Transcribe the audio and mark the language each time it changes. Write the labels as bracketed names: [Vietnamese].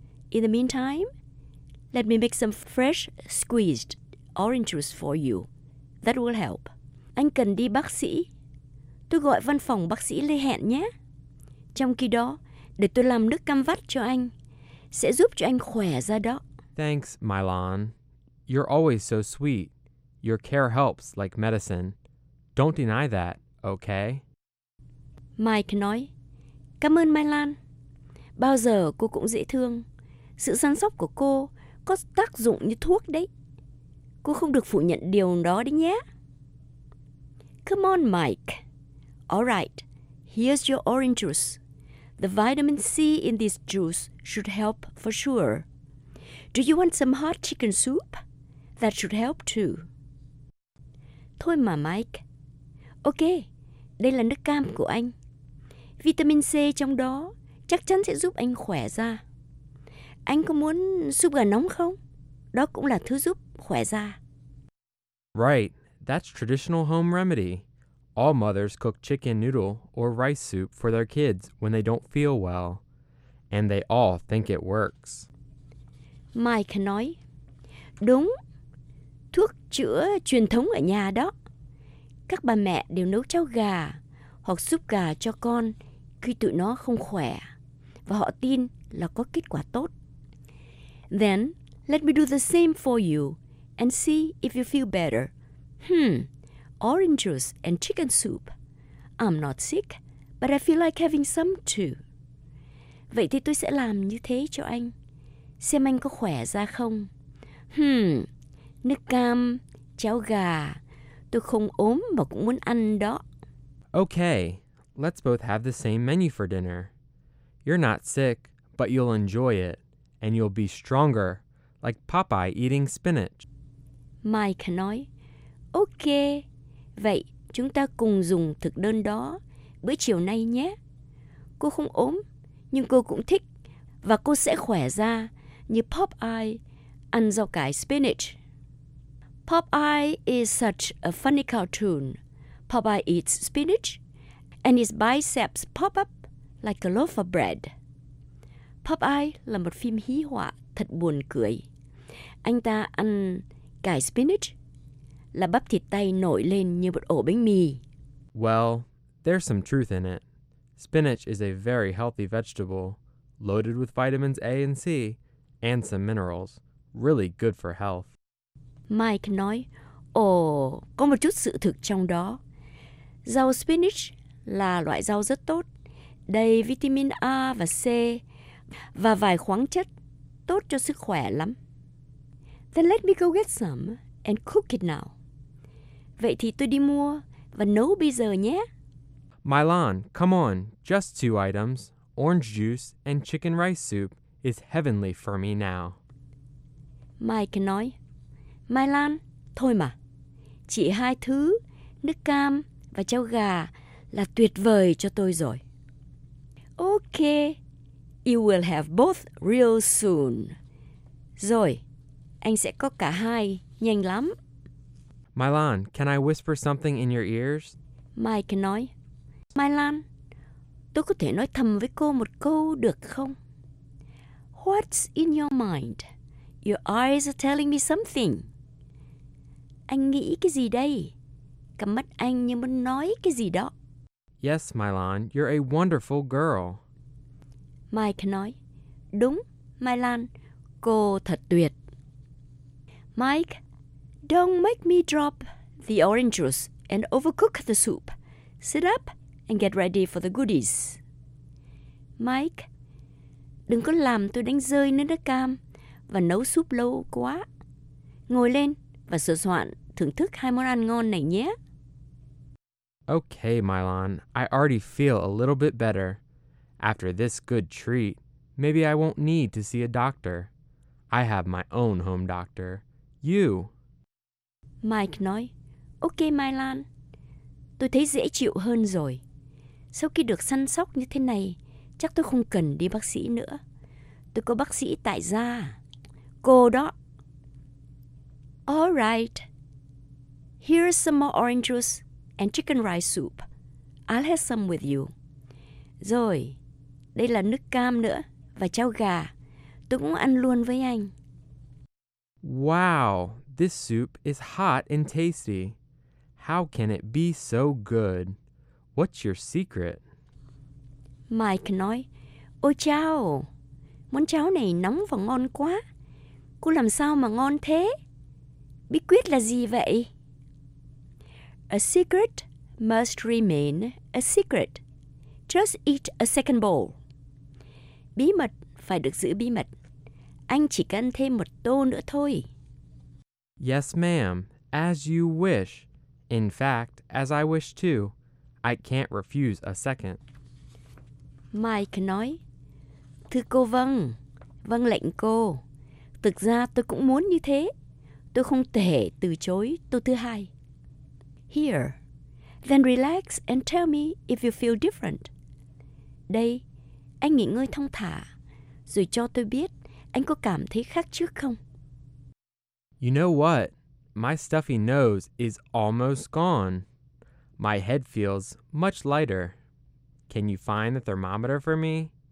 [English] In the meantime, let me make some fresh squeezed orange juice for you. That will help. [Vietnamese] Anh cần đi bác sĩ. Tôi gọi văn phòng bác sĩ Lê Hẹn nhé. Trong khi đó, để tôi làm nước cam vắt cho anh. Sẽ giúp cho anh khỏe ra đó. [English] Thanks, Milan. You're always so sweet. Your care helps like medicine. Don't deny that, okay? [Vietnamese] Mike nói, cảm ơn Milan. Bao giờ cô cũng dễ thương. Sự săn sóc của cô có tác dụng như thuốc đấy. Cô không được phủ nhận điều đó đấy nhé. [English] Come on, Mike. All right, here's your orange juice. The vitamin C in this juice should help for sure. Do you want some hot chicken soup? That should help too. [Vietnamese] Thôi mà Mike. Ok, đây là nước cam của anh. Vitamin C trong đó chắc chắn sẽ giúp anh khỏe ra. Anh có muốn súp gà nóng không? Đó cũng là thứ giúp khỏe ra. [English] Right, that's traditional home remedy. All mothers cook chicken noodle or rice soup for their kids when they don't feel well. And they all think it works. [Vietnamese] Mike nói, đúng, thuốc chữa truyền thống ở nhà đó. Các bà mẹ đều nấu cháo gà hoặc súp gà cho con khi tụi nó không khỏe. Và họ tin là có kết quả tốt. [English] Then, let me do the same for you and see if you feel better. Orange juice and chicken soup. I'm not sick, but I feel like having some too. [Vietnamese] Vậy thì tôi sẽ làm như thế cho anh. Xem anh có khỏe ra không. Nước cam, cháo gà. Tôi không ốm mà cũng muốn ăn đó. [English] Okay, let's both have the same menu for dinner. You're not sick, but you'll enjoy it. And you'll be stronger, like Popeye eating spinach. [Vietnamese] Mike nói, okay. Vậy, chúng ta cùng dùng thực đơn đó bữa chiều nay nhé. Cô không ốm, nhưng cô cũng thích và cô sẽ khỏe ra như Popeye ăn rau cải spinach. [English] Popeye is such a funny cartoon. Popeye eats spinach and his biceps pop up like a loaf of bread. [Vietnamese] Popeye là một phim hí họa thật buồn cười. Anh ta ăn cải spinach là bắp thịt tay nổi lên như một ổ bánh mì. [English] Well, there's some truth in it. Spinach is a very healthy vegetable, loaded with vitamins A and C, and some minerals. Really good for health. [Vietnamese] Mike nói, ồ, có một chút sự thực trong đó. Rau spinach là loại rau rất tốt, đầy vitamin A và C và vài khoáng chất, tốt cho sức khỏe lắm. [English] Then let me go get some and cook it now. [Vietnamese] Vậy thì tôi đi mua và nấu bây giờ nhé. [English] Mylon, come on, just two items, orange juice and chicken rice soup is heavenly for me now. [Vietnamese] Mike nói, Mylon, thôi mà, chỉ hai thứ, nước cam và cháo gà là tuyệt vời cho tôi rồi. [English] Okay, you will have both real soon. [Vietnamese] Rồi, anh sẽ có cả hai, nhanh lắm. [English] Mylon, can I whisper something in your ears? [Vietnamese] Mike nói, Mylon, tôi có thể nói thầm với cô một câu được không? [English] What's in your mind? Your eyes are telling me something. [Vietnamese] Anh nghĩ cái gì đây? Cặp mắt anh như muốn nói cái gì đó. [English] Yes, Mylon, you're a wonderful girl. [Vietnamese] Mike nói, đúng, Mylon, cô thật tuyệt. [English] Mike, don't make me drop the orange juice and overcook the soup. Sit up and get ready for the goodies. [Vietnamese] Mike, đừng có làm tôi đánh rơi nước cam và nấu súp lâu quá. Ngồi lên và sửa soạn thưởng thức hai món ăn ngon này nhé. [English] Okay, Mylon, I already feel a little bit better. After this good treat, maybe I won't need to see a doctor. I have my own home doctor. You. [Vietnamese] Mike nói, okay, Mylon, tôi thấy dễ chịu hơn rồi. Sau khi được săn sóc như thế này, chắc tôi không cần đi bác sĩ nữa. Tôi có bác sĩ tại gia. Cô đó. [English] All right. Here's some more orange juice and chicken rice soup. I'll have some with you. [Vietnamese] Rồi, đây là nước cam nữa và cháo gà. Tôi cũng ăn luôn với anh. [English] Wow, this soup is hot and tasty. How can it be so good? What's your secret? [Vietnamese] Mike nói, ôi chao, món cháo này nóng và ngon quá. Cô làm sao mà ngon thế? Bí quyết là gì vậy? [English] A secret must remain a secret. Just eat a second bowl. [Vietnamese] Bí mật phải được giữ bí mật. Anh chỉ cần thêm một tô nữa thôi. [English] Yes, ma'am. As you wish. In fact, as I wish too. I can't refuse a second. [Vietnamese] Mike nói, thưa cô vâng, vâng lệnh cô. Thực ra tôi cũng muốn như thế. Tôi không thể từ chối tô thứ hai. [English] Here. Then relax and tell me if you feel different. [Vietnamese] Đây, anh nghỉ ngơi thong thả, rồi cho tôi biết anh có cảm thấy khác trước không? [English] You know what? My stuffy nose is almost gone. My head feels much lighter. Can you find the thermometer for me?